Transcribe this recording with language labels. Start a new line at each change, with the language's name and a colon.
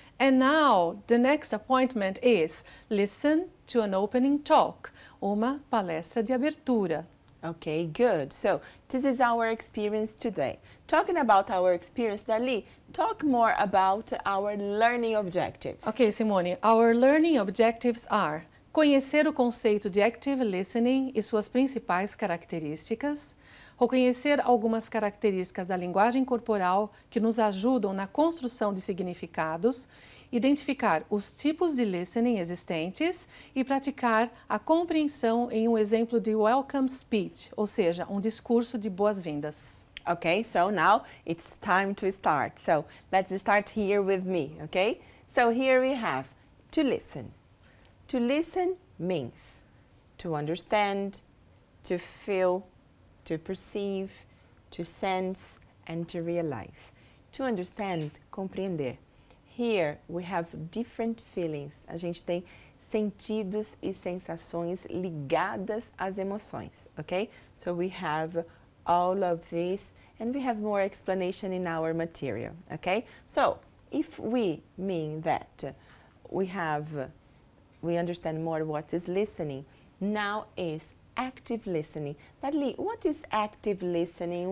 English: And now, the next appointment is listen to an opening talk,
Portuguese: uma palestra de abertura.
English: Okay, good. So, this is our experience today. Talking about our experience, Darli, talk more about our learning objectives. Okay, Simone, our learning objectives are
Portuguese: conhecer o conceito de active listening e suas principais características, reconhecer algumas características da linguagem corporal que nos ajudam na construção de significados, identificar os tipos de listening existentes e praticar a compreensão em um exemplo de welcome speech, ou seja, um discurso de boas-vindas.
English: Okay, so now it's time to start. So, let's start here with me, okay? So, here we have to listen. To listen means to understand, to feel, to perceive, to sense, and to realize. To understand, compreender. Here we have different feelings.
Portuguese: A gente tem sentidos e sensações ligadas às emoções, okay?
English: So we have all of this, and we have more explanation in our material, okay? So if we mean that we understand more what is listening. Now is active listening. Darli, what is active listening?